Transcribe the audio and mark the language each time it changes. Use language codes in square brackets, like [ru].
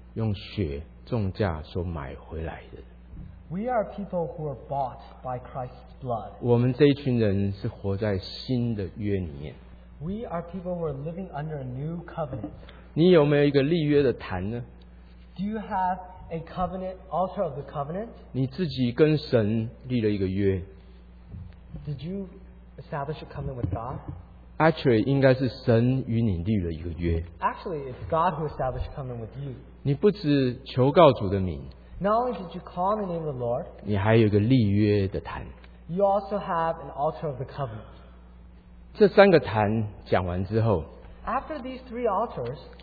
[zh] 我们今天这一群人是主耶稣用血重价所买回来的。 [en] We are people who are bought by Christ's blood. [zh] 我们这一群人是活在新的约里面。 [en] We are people who are living under a new covenant. [zh] 你有没有一个立约的坛呢? [en] Do you have a covenant, altar of the covenant? [zh] 你自己跟神立了一个约。 [en] Did you establish a covenant with God? [zh] Actually, 应该是神与你立了一个约。 [en] Actually, it's God who established a covenant with you. [zh] 你不只求告主的名, [en] not only did you call the name of the Lord, [zh] 你还有一个立约的坛。 [en] You also have an altar of the covenant. [zh] 这三个坛讲完之后, [en] after these three altars,